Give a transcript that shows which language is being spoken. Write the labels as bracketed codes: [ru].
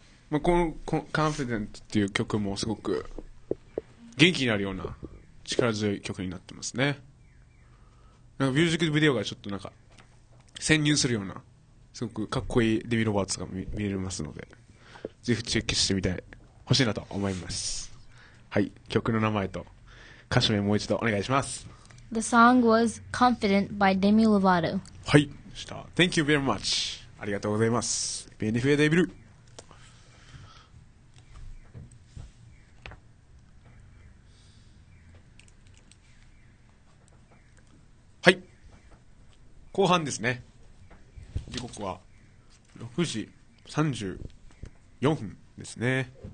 [ja] まあ、この Confident っていう曲もすごく元気になるような力強い曲になってますね。なんかミュージックビデオがちょっとなんか潜入するような、すごくかっこいいデミ・ロバーツが見れますので、ぜひチェックしてみてほしいなと思います。はい、曲の名前と歌詞名もう一度お願いします。 [en] The song was Confident by Demi Lovato. [ja] はい、した。 [en] Thank you very much. [ja] ありがとうございます。ベネフェデビル。はい。後半ですね。時刻は6時34分ですね。